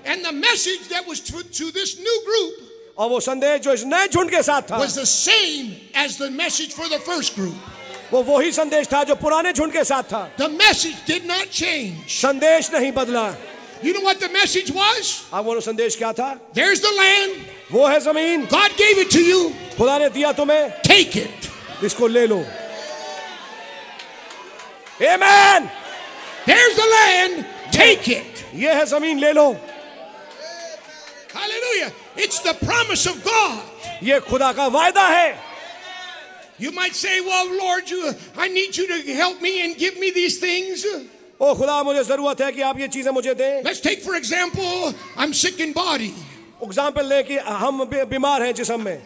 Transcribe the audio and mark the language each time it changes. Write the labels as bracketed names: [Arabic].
[English] And the message that was to this new group. [Hindi] और वो संदेश जो इस नए झुंड के साथ था. [English] Was the same as the message for the first group. [Hindi] वो वही संदेश था जो पुराने झुंड के साथ था. [English] The message did not change. [Hindi] संदेश नहीं बदला. [English] You know what the message was? [Hindi] आप वो संदेश क्या था? [English] There's the land. [Hindi] वो है ज़मीन. [English] God gave it to you. [Hindi] खुदा ने दिया तुम्हें. [English] Take it. [Hindi] इसको ले लो. [English] Amen. There's the land. Take it. [Hindi] ये है ज़मीन. ले लो. [English] Hallelujah. It's the promise of God. [Hindi] ये खुदा का वायदा है. [English] You might say, "Well, Lord, I need you to help me and give me these things." [Hindi] Oh, खुदा मुझे जरूरत है कि आप ये चीजें मुझे दें. [English] Let's take for example, I'm sick in body. [Hindi] Example लें कि हम बीमार हैं जिस्म में.